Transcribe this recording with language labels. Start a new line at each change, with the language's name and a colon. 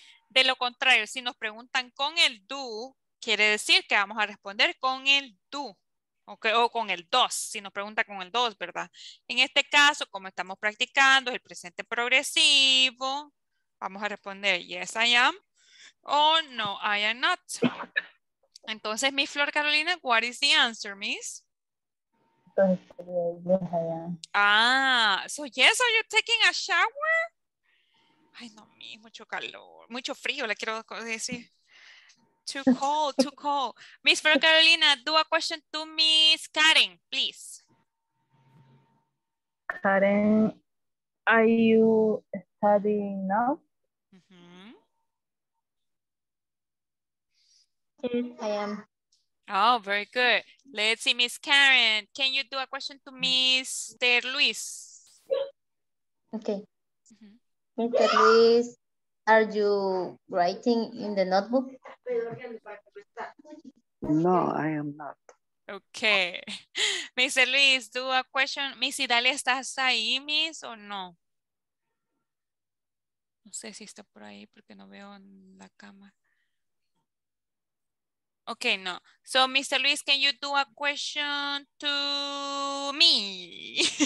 Spanish: De lo contrario, si nos preguntan con el do, quiere decir que vamos a responder con el do. Okay, o con el does, si nos pregunta con el does, ¿verdad? En este caso, como estamos practicando, es el presente progresivo. Vamos a responder,
English: yes, I am,
Spanish: o
English: no, I am not. Entonces, Miss Flor Carolina, what is the answer, miss? Yes, I am. Ah, so yes, are you taking a shower?
Spanish: Ay, no, miss, mucho calor, mucho frío, le quiero decir.
English: Too cold, too cold. Miss Flor Carolina, do a question to Miss Karen, please. Karen, are you studying now? Yes, I am. Oh, very good. Let's see, Miss Karen. Can you do a question to Mr. Luis? Okay. Mr. Luis, are you writing in the notebook? No, I am not. Okay. Mr. Luis, do a question. Miss Idalia,
Spanish: ¿estás ahí, Miss, o no? No sé si está por ahí porque no veo en la cama.
English: Okay, no. So, Mr. Luis, can you do a question to me?